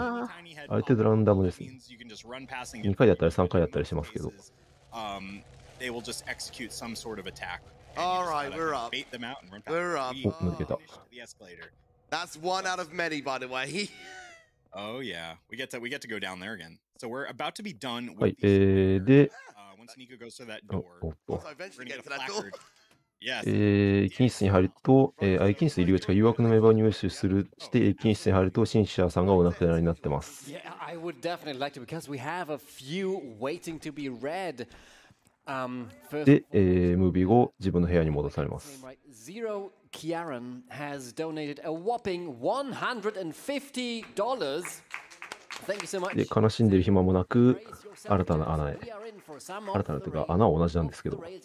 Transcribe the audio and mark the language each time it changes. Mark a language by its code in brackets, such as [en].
[ja] ある程度ランダムですね。2回だったり3回だったりしますけど。 [en] They will just execute some sort of attack. All right, we're up. Bait them out and run past. We're up. [ja] 抜けた。 [en] That's one out of many, by the way. Oh yeah, we get to go down there again. So we're about to be done with the once Nico goes to that door, we're gonna get a placard. Yes. [ja] 禁止室に入ると、禁止室入り口が誘惑のメンバーに入手するして、禁止室に入るとシンシアさんがお亡くなりになってます。 [en] Yeah, I would definitely like to because we have a few waiting to be read. [ja] で、ムービー後、自分の部屋に戻されます。 [en] Zero Kiaran has donated a whopping $150. Thank you so much. [ja] で悲しんでる暇もなく新たな穴へ新たなというか穴は同じなんですけど